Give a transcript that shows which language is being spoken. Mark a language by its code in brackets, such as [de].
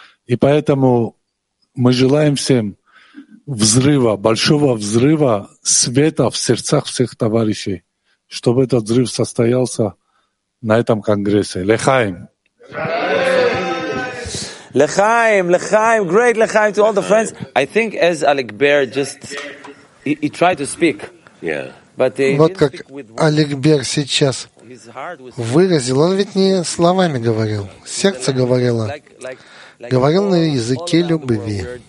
[ru] И поэтому мы желаем всем взрыва, большого взрыва света в сердцах всех товарищей, чтобы этот взрыв состоялся на этом конгрессе. Лехаим! [en] L'chaim, l'chaim, great l'chaim to all the friends. I think as Alec Bear just, he tried to speak. Yeah. But [ru] вот как Олег Бер сейчас выразил, он ведь не словами говорил, сердце говорило, говорил на языке любви.